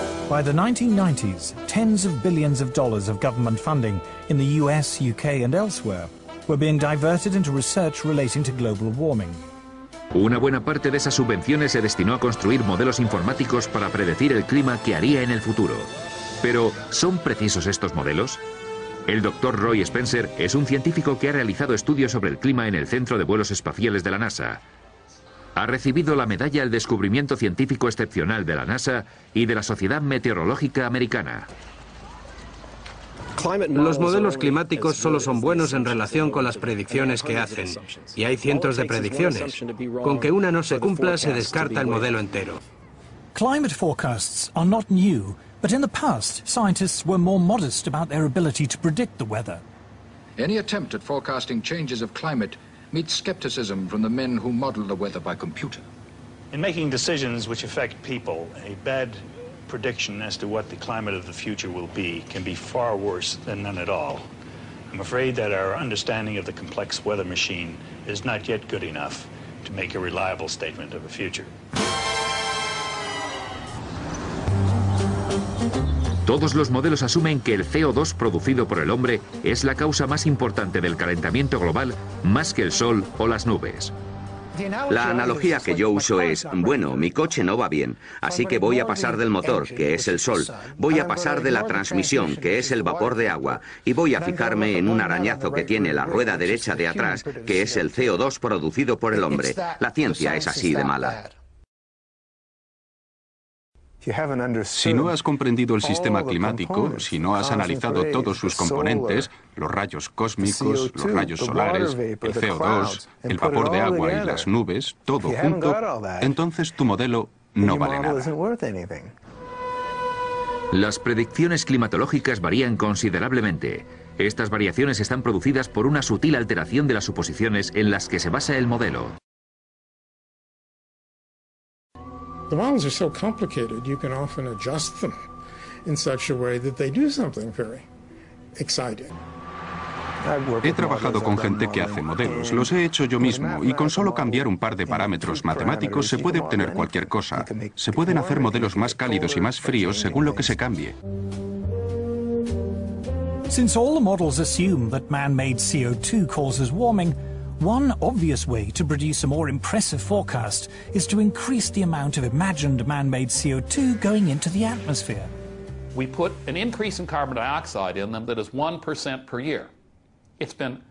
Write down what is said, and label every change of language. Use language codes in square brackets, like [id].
[en] By the 1990s, tens of billions of dollars of government funding in the US, UK and elsewhere were being diverted into research relating to global warming. [es] Una buena parte de esas subvenciones se destinó a construir modelos informáticos para predecir el clima que haría en el futuro. Pero, ¿son precisos estos modelos? El Dr. Roy Spencer es un científico que ha realizado estudios sobre el clima en el Centro de Vuelos Espaciales de la NASA. Ha recibido la medalla al descubrimiento científico excepcional de la NASA y de la Sociedad Meteorológica Americana. Los modelos climáticos solo son buenos en relación con las predicciones que hacen, y hay cientos de predicciones. Con que una no se cumpla, se descarta el modelo entero. [en] Climate forecasts are not new, but in the past, scientists were more modest about their ability to predict the weather. Any attempt at forecasting changes of climate meet skepticism from the men who model the weather by computer. In making decisions which affect people, a bad prediction as to what the climate of the future will be can be far worse than none at all. I'm afraid that our understanding of the complex weather machine is not yet good enough to make a reliable statement of the future. [es] Todos los modelos asumen que el CO2 producido por el hombre es la causa más importante del calentamiento global, más que el sol o las nubes. La analogía que yo uso es, bueno, mi coche no va bien, así que voy a pasar del motor, que es el sol, voy a pasar de la transmisión, que es el vapor de agua, y voy a fijarme en un arañazo que tiene la rueda derecha de atrás, que es el CO2 producido por el hombre. La ciencia es así de mala. Si no has comprendido el sistema climático, si no has analizado todos sus componentes, los rayos cósmicos, los rayos solares, el CO2, el vapor de agua y las nubes, todo junto, entonces tu modelo no vale nada. Las predicciones climatológicas varían considerablemente. Estas variaciones están producidas por una sutil alteración de las suposiciones en las que se basa el modelo. [en] The models are so complicated, you can often adjust them in such a way that they do something very exciting. [es] He trabajado con gente que hace modelos, los he hecho yo mismo, y con solo cambiar un par de parámetros matemáticos se puede obtener cualquier cosa. Se pueden hacer modelos más cálidos y más fríos según lo que se cambie. [en] Since all the models assume that man-made CO2 causes warming, one obvious way to produce a more impressive forecast is to increase the amount of imagined man-made CO2 going into the atmosphere. We put an increase in carbon dioxide in them that is 1% per year. It's been